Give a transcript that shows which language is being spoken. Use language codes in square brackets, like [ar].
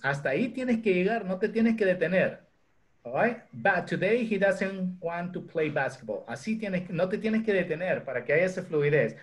[es] Hasta ahí tienes que llegar, no te tienes que detener. [en] All right? But today he doesn't want to play basketball. [es] Así tienes, no te tienes que detener para que haya esa fluidez.